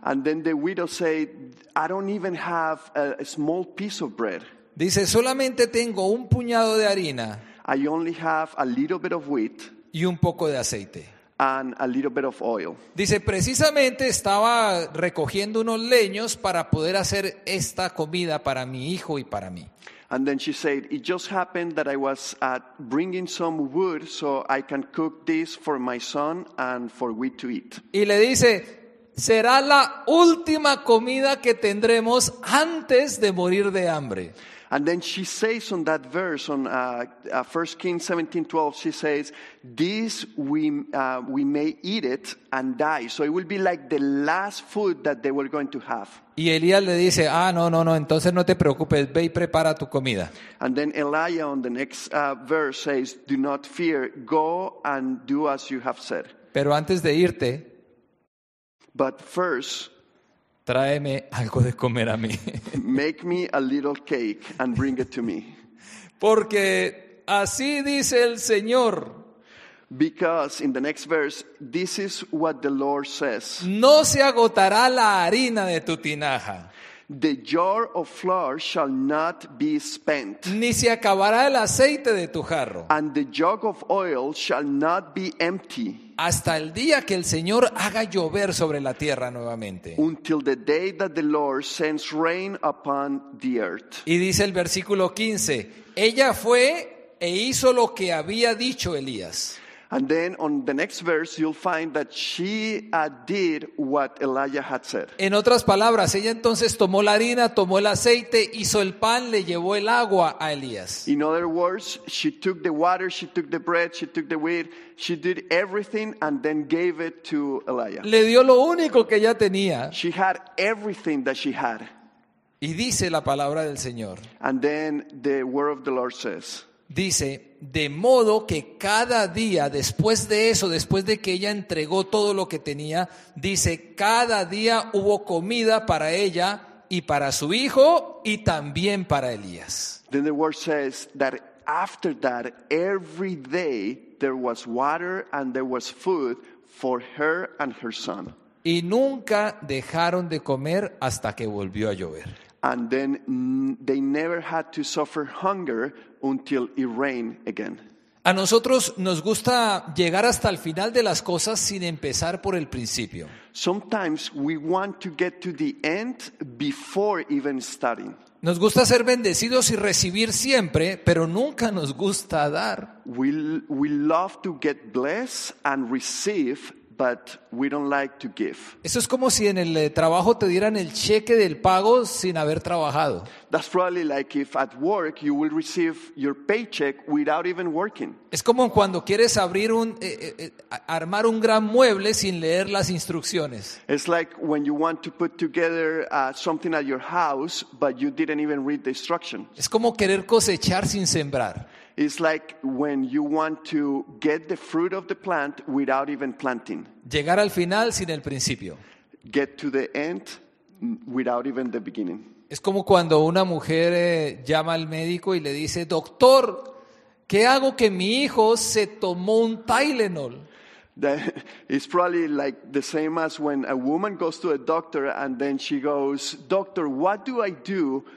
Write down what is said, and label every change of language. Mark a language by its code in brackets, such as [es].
[en] And then the widow said, I don't even have a small piece of bread. [es] Dice, solamente tengo un puñado de harina. [en] I only have a little bit of wheat. [es] Y un poco de aceite. [en] And a little bit of oil. [es] Dice, precisamente estaba recogiendo unos leños para poder hacer esta comida para mi hijo y para mí. [en] And then she said, it just happened that I was bringing some wood so I can cook this for my son and for we to eat. [es] Y le dice, será la última comida que tendremos antes de morir de hambre. [en] And then she says on that verse, on 1 Kings 17:12, she says, this we may eat it and die. So it will be like the last food that they were going to have. [es] Y Elías le dice, ah, no, entonces no te preocupes, ve y prepara tu comida. [en] And then Elijah on the next verse says, do not fear, go and do as you have said. [es] Pero antes de irte, [en] but first, [es] tráeme algo de comer a mí. [en] Make me a little cake and bring it to me. [es] Porque así dice el Señor. [en] Because in the next verse, this is what the Lord says. [es] No se agotará la harina de tu tinaja. [en] The jar of flour shall not be spent. [es] Ni se acabará el aceite de tu jarro. [en] And the jug of oil shall not be empty. [es] Hasta el día que el Señor haga llover sobre la tierra nuevamente. [en] Until the day that the Lord sends rain upon the earth. [es] Y dice el versículo 15, ella fue e hizo lo que había dicho Elías. [en] And then on the next verse, you'll find that she did what Elijah had said. [es] En otras palabras, ella entonces tomó la harina, tomó el aceite, hizo el pan, le llevó el agua a Elías. [en] In other words, she took the water, she took the bread, she took the wheat, she did everything and then gave it to Elijah. [es] Le dio lo único que ella tenía. [en] She had everything that she had. [es] Y dice la palabra del Señor. [en] And then the word of the Lord says. [es] Dice, de modo que cada día, después de eso, después de que ella entregó todo lo que tenía, dice, cada día hubo comida para ella y para su hijo y también para Elías. [en] Then the word says that after that, every day there was water and there was food for her and her son. [es] Y nunca dejaron de comer hasta que volvió a llover. [en] And then they never had to suffer hunger until it rained again. [es] A nosotros nos gusta llegar hasta el final de las cosas sin empezar por el principio. [en] Sometimes we want to get to the end before even starting. [es] Nos gusta ser bendecidos y recibir siempre, pero nunca nos gusta dar. [en] We love to get blessed and receive, but we don't like to give. [es] Eso es como si en el trabajo te dieran el cheque del pago sin haber trabajado. [en] That's probably like if at work you will receive your paycheck without even working. [es] Es como cuando quieres abrir un armar un gran mueble sin leer las instrucciones. [en] It's like when you want to put together something at your house but you didn't even read the instructions. [es] Es como querer cosechar sin sembrar. [en] It's like when you want to get the fruit of the plant without even planting. [es] Llegar al final sin el principio. [en] Get to the end without even the beginning. [es] Es como cuando una mujer llama al médico y le dice, "Doctor, ¿qué hago que mi hijo se tomó un Tylenol?" [en] It's probably like the same as when a woman goes to a doctor and then she goes, "Doctor, what do I do?